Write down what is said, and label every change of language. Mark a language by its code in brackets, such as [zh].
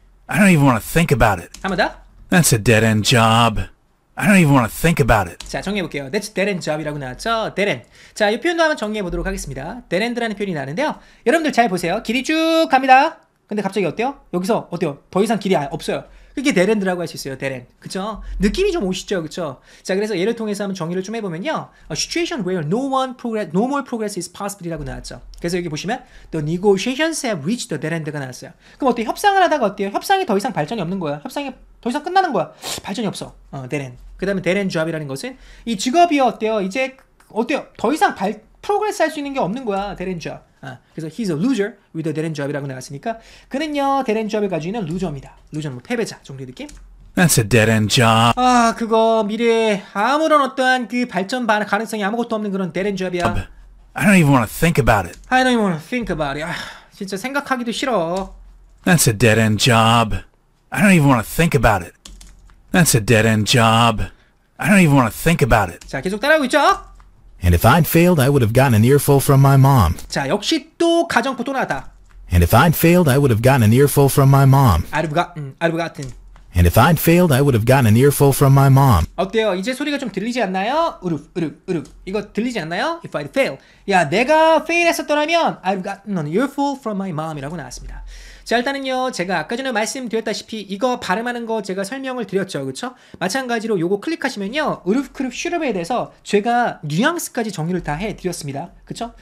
[en] I don't even want to think about it. [ko] 한 번 더. [en] That's a dead-end job. I don't even want to think about it. [ko] 자, 정리해볼게요. [en] That's a dead-end job [ko] 이라고 나왔죠. Dead-end. 자, 이 표현도 한번 정리해보도록 하겠습니다. Dead-end라는 표현이 나왔는데요. 여러분들 잘 보세요. 길이 쭉 갑니다. 근데 갑자기 어때요? 여기서 어때요? 더 이상 길이 없어요. 그게 데렌드라고 할 수 있어요. 데렌드. 그쵸? 느낌이 좀 오시죠? 그쵸? 자 그래서 예를 통해서 한번 정의를 좀 해보면요. [en] A situation where no more progress is possible [ko] 이라고 나왔죠. 그래서 여기 보시면 [en] The negotiations have reached the dead-end [ko] 가 나왔어요. 그럼 어때요? 협상을 하다가 어때요? 협상이 더 이상 발전이 없는 거야. 협상이 더 이상 끝나는 거야. 발전이 없어. dead-end. 그 다음에 dead-end job이라는 것은 이 직업이 어때요? 이제 어때요? 더 이상 프로그레스 할 수 있는 게 없는 거야. dead-end job. 그래서 [en] he's a loser with a dead-end job [ko] 이라고 나왔으니까 그는요 dead-end job을 가지고 있는 루저입니다. 루저는 뭐 패배자 정도의 느낌. [en] That's a dead-end job. [ko] 아 그거 미래에 아무런 어떠한 그 발전 가능성이 아무것도 없는 그런 [en] dead-end job [ko] 이야. [en] I don't even want to think about it. I don't even want to think about it. [ko] 아, 진짜 생각하기도 싫어. [en] That's a dead-end job. I don't even want to think about it. That's a dead-end job. I don't even want to think about it. [ko] 자 계속 따라하고 있죠. [en] And if I'd failed, I would have gotten an earful from my mom. [ko] 자, 역시 또 가정부터 나왔다. [en] And if I'd failed, I would have gotten an earful from my mom. I'd have gotten. And if I'd failed, I would have gotten an earful from my mom. [ko] 어때요? 이제 소리가 좀 들리지 않나요? [en] 으륵, 으륵, 으륵. [ko] 이거 들리지 않나요? [en] If I'd failed. [ko] 야, 내가 [en] fail했었더라면 I'd have gotten an earful from my mom [ko] 이라고 나왔습니다. 자 일단은요 제가 아까 전에 말씀드렸다시피 이거 발음하는 거 제가 설명을 드렸죠. 그쵸? 마찬가지로 요거 클릭하시면요 으룹크룹 슈룹에 대해서 제가 뉘앙스까지 정리를 다 해드렸습니다. 그쵸?